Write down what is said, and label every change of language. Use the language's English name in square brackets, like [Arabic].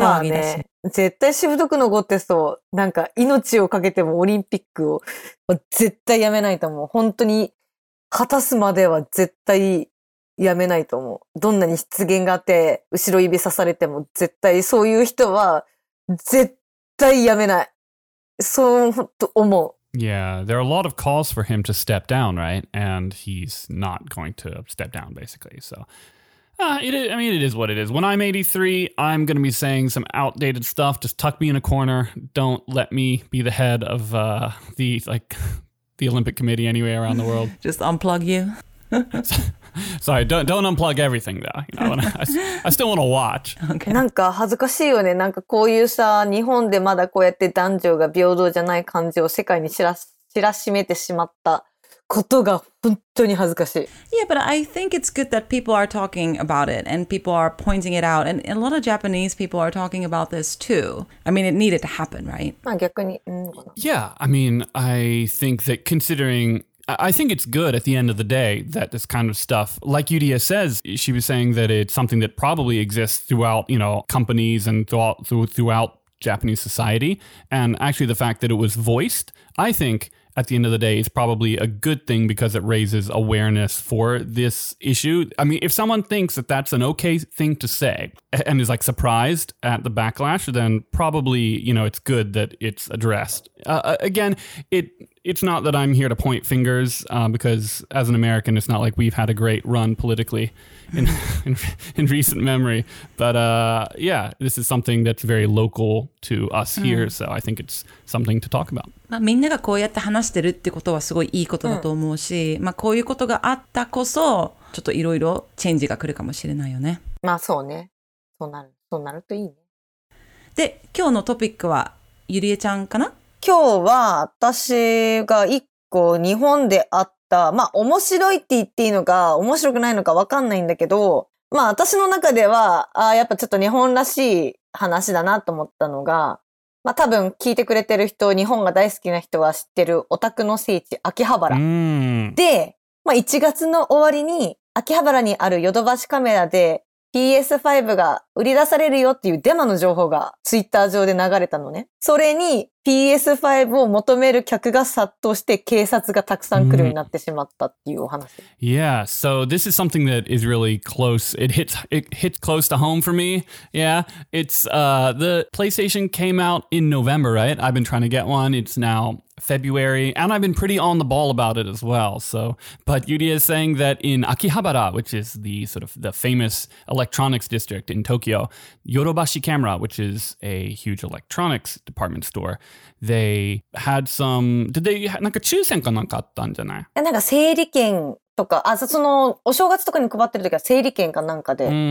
[Japanese] まあね、絶対しぶとく残ってそう。なんか命をかけてもオリンピックを、まあ、絶対やめないと思う。本当に。果たすまでは絶対やめないと思う。どんなに失言があって後ろ指さされても絶対そういう人は絶対やめない。そうと思う。 [English] Yeah, there are a lot of calls for him to step down, right? And he's not going to step down, basically. So, it is what it is. When I'm 83, I'm going to be saying some outdated stuff. Just tuck me in a corner. Don't let me be the head of the Olympic Committee anyway around the world. Just unplug you. Sorry, don't unplug everything though. You know, I still want to watch. Okay. [Japanese] なんか恥ずかしいよね。なんかこういうさ、日本でまだこうやって男女が平等じゃない感じを世界に知らしめてしまったことが本当に恥ずかしい。 [English] Yeah, but I think it's good that people are talking about it and people are pointing it out. And a lot of Japanese people are talking about this too. I mean, it needed to happen, right? [Japanese] まあ逆に。 [English] Yeah, I mean, I think that considering... I think it's good at the end of the day that this kind of stuff, like Yuria says, she was saying that it's something that probably exists throughout, you know, companies and throughout Japanese society. And actually the fact that it was voiced, I think at the end of the day is probably a good thing because it raises awareness for this issue. I mean, if someone thinks that that's an okay thing to say and is like surprised at the backlash, then probably, you know, it's good that it's addressed. It's not that I'm here to point fingers, because as an American, it's not like we've had a great run politically in recent memory. But yeah, this is something that's very local to us here, so I think it's something to talk about. [Japanese] まあ、みんながこうやって話してるってことはすごいいいことだと思うし、まあ、こういうことがあったこそ、ちょっといろいろチェンジが来るかもしれないよね。まあそうね。そうなるといいね。で、今日のトピックはゆりえちゃんかな？今日は私が一個日本であった、まあ面白いって言っていいのか面白くないのかわかんないんだけど、まあ私の中では、ああやっぱちょっと日本らしい話だなと思ったのが、まあ多分聞いてくれてる人、日本が大好きな人は知ってるオタクの聖地、秋葉原。で、まあ1月の終わりに秋葉原にあるヨドバシカメラで PS5 が売り出されるよっていうデマの情報がツイッター上で流れたのね。それに、PS5 を求める客が殺到して警察がたくさん来るようになってしまったっていうお話。 [English] Yeah, so this is something that is really close. It hits close to home for me. Yeah, it's the PlayStation came out in November, right? I've been trying to get one. It's now February, and I've been pretty on the ball about it as well. So, but Yuria is saying that in Akihabara, which is the sort of the famous electronics district in Tokyo, Yodobashi Camera, which is a huge electronics department store. They had some... Did they... [Japanese] なんか抽選かなんかあったんじゃない？なんか整理券とか、あ、そのお正月とかに配ってる時は整理券かなんかで。